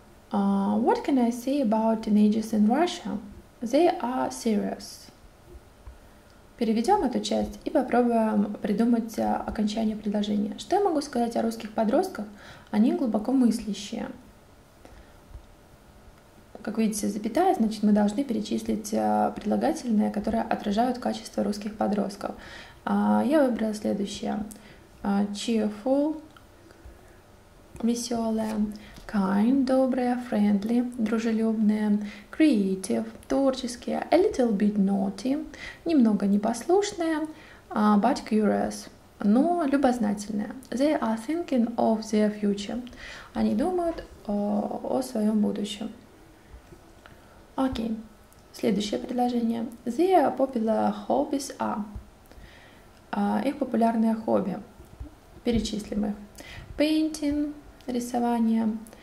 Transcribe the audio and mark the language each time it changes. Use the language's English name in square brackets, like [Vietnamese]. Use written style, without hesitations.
[English] What can I say about teenagers in Russia? They are serious. [Russian] Переведем эту часть и попробуем придумать окончание предложения. Что я могу сказать о русских подростках? Они глубоко мыслящие. Как видите, запятая, значит, мы должны перечислить прилагательные, которые отражают качество русских подростков. Я выбрала следующее. [English] Cheerful, [Russian] веселая, [English] kind, [Russian] добрая, [English] friendly, [Russian] дружелюбная, [English] creative, [Russian] творческие, [English] a little bit naughty, [Russian] немного непослушная, [English] but curious, [Russian] но любознательная. [English] They are thinking of their future. [Russian] Они думают о своем будущем. Окей. Следующее предложение. [English] Their popular hobbies are. [Russian] Их популярные хобби. Перечислим их. [English] Painting, [Russian] рисование.